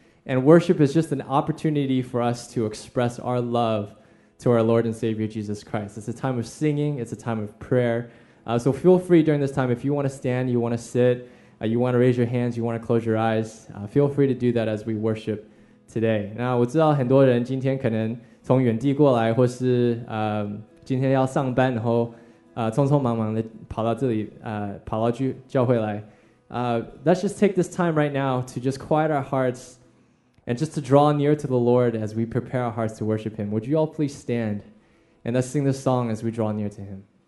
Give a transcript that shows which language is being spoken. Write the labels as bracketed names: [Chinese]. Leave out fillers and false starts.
[English] And worship is just an opportunity for us to express our love to our Lord and Savior, Jesus Christ. It's a time of singing, it's a time of prayer. So feel free during this time, if you want to stand, you want to sit, you want to raise your hands, you want to close your eyes, feel free to do that as we worshipToday. [Chinese] 那我知道很多人今天可能从远地过来，或是今天要上班，然后匆匆忙忙的跑到这里，跑到教会来。 [English] Let's just take this time right now to just quiet our hearts and just to draw near to the Lord as we prepare our hearts to worship Him. Would you all please stand and let's sing this song as we draw near to Him.